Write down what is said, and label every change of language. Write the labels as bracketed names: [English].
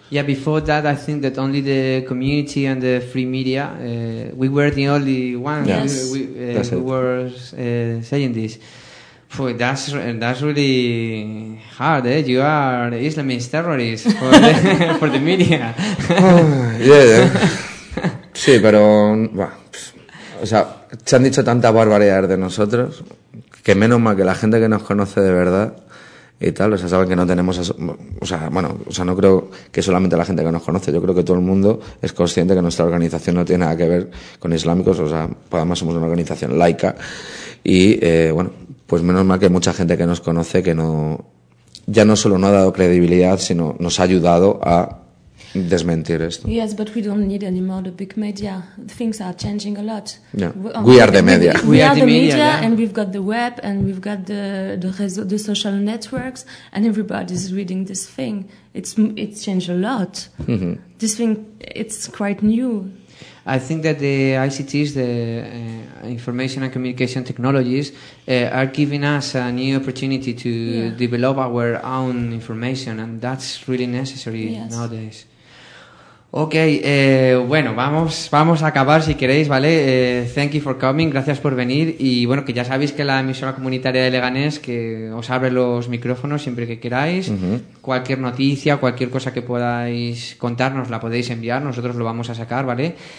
[English] Yeah, before that, I think that only the community and the free media, we were the only ones saying this. Boy, that's really hard, eh? You are the Islamist terrorist for the media. yeah. [Spanish] Sí, pero... Bueno, o sea, se han dicho tantas barbaridades de nosotros que menos mal que la gente que nos conoce de verdad y tal, o sea, saben que no tenemos... O sea, no creo que solamente la gente que nos conoce, yo creo que todo el mundo es consciente que nuestra organización no tiene nada que ver con islámicos, o sea, pues además somos una organización laica y, bueno... Pues menos mal que mucha gente que nos conoce que no, ya no solo no ha dado credibilidad, sino nos ha ayudado a desmentir esto. [English] Yes, but we don't need any more the big media. Things are changing a lot. Yeah. We are the media. We are the media, yeah. And we've got the web, and we've got the social networks, and everybody's reading this thing. It's changed a lot. Mm-hmm. This thing, it's quite new. I think that the ICTs, the information and communication technologies, are giving us a new opportunity to develop our own information, and that's really necessary nowadays. [Spanish] Okay, bueno, vamos a acabar si queréis, ¿vale? [English] Thank you for coming, [Spanish] gracias por venir, y bueno, que ya sabéis que la emisora comunitaria de Leganés que os abre los micrófonos siempre que queráis. Uh-huh. Cualquier noticia, cualquier cosa que podáis contarnos la podéis enviar, nosotros lo vamos a sacar, ¿vale?